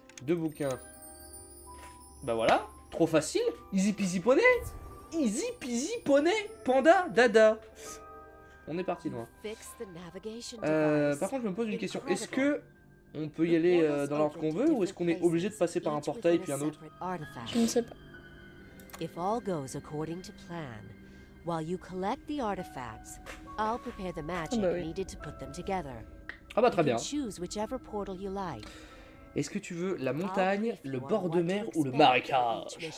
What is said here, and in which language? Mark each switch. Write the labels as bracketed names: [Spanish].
[French] Deux bouquins. Bah voilà, trop facile. [English] Easy peasy poney. Easy peasy poney. [French] Panda, dada. On est parti loin. Par contre, je me pose une question. Est-ce que on peut y aller dans l'ordre qu'on veut ou est-ce qu'on est obligé de passer par un portail puis un autre? Je ne sais pas. [English] If all goes according to plan, while you collect the artifacts, I'll prepare the magic needed to put them together. [French] Ah bah très bien. Est-ce que tu veux la montagne, le bord de mer ou le marécage?